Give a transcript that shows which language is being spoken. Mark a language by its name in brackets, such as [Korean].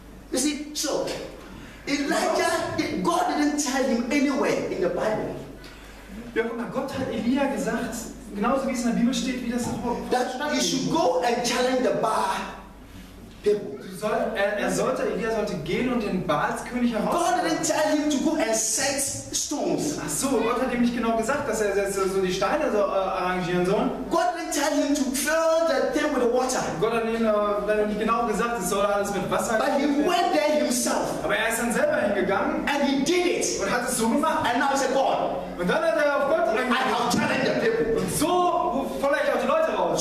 [English] You see, so Elijah, God didn't tell him anywhere in the Bible. [German] Ja, guck mal, Gott hat Elia gesagt, genauso wie es in der Bibel steht, wie das auch. [English] That he should go and challenge the Baal [German] people. Elia sollte gehen und den Baalskönig heraus. [English] God didn't tell him to go and set stones. [German] Ach so, Gott hat ihm nicht genau gesagt, dass er jetzt so die Steine so arrangieren soll. [English] God didn't tell him to fill the thing with the water. [German] Gott hat ihm nicht genau gesagt, es soll alles mit Wasser. [English] But he went there himself. [German] Aber er ist dann selber hingegangen. [English] And he did it. [German] Und hat es so gemacht. [English] And now he said, God. [German] Und dann hat er auf Gott [English] reagiert. I have challenged the people. [German] Und so fordere ich auch die Leute raus.